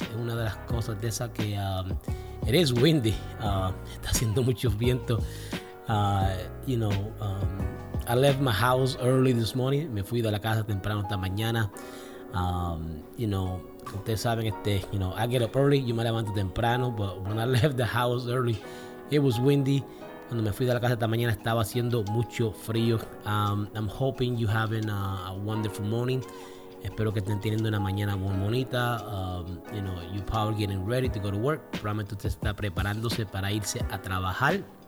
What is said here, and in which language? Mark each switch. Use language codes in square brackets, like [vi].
[es] Es una de las cosas de esa que it is windy. Está haciendo mucho viento. [en] You know, I left my house early this morning. [es] Me fui de la casa temprano esta mañana. [en] You know, ustedes saben, you know, I get up early, yo me levanto temprano, but when I left the house early, it was windy. [es] Cuando me fui de la casa esta mañana estaba haciendo mucho frío. I'm hoping you having a wonderful morning. Espero que estén teniendo una mañana muy bonita. [en] You know, you probably getting ready to go to work. [es] Probablemente usted está preparándose para irse a trabajar.